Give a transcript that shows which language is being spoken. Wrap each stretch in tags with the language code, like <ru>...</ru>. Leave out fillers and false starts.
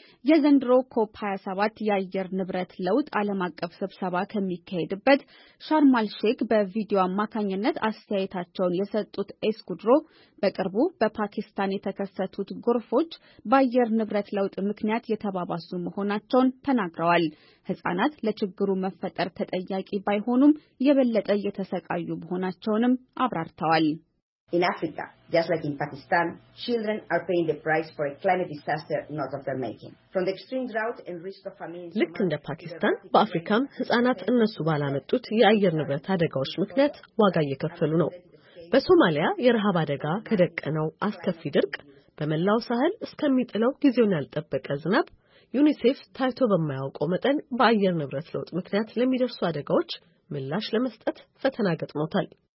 <am>የዘንድሮ ኮፕ 27 የአየር ንብረት ለውጥ ዓለም አቀፍ ስብሰባ ከመካሄድበት ሻርም አል ሼክ በቪዲዮ አማካኝነት አስተያየታቸውን የሰጡት ኤስኩድሮ በቅርቡ በፓኪስታን የተከሰቱት ጎርፎች በአየር ንብረት ለውጥ ምክንያት የተባባሱ መሆናቸውን ተናግረዋል። ህጻናት ለችግሩ መፈጠር ተጠያቂ ባይሆኑም የበለጠ የተሰቃዩ መሆናቸውንም አብራርተዋል።</am> <en>In Africa, just like in Pakistan, children are paying the price for a climate disaster not of their making. From the extreme drought and risk of famine.</en> <am>ልክ እንደ ፓኪስታን በአፍሪካም ህጻናት እነሱ ባላመጡት የአየር ንብረት አደጋዎች ምክንያት ዋጋ እየከፈሉ ነው። በሶማሊያ የረሃብ አደጋ ከደቀነው አስከፊ ድርቅ በመላው ሳህል እስከሚጥለው ጊዜውን ያልጠበቀ ዝናብ ዩኒሴፍ ታይቶ በማያውቀው መጠን በአየር ንብረት ለውጥ ምክንያት ለሚደርሱ አደጋዎች ምላሽ ለመስጠት ፈተና ገጥሞታል።</am>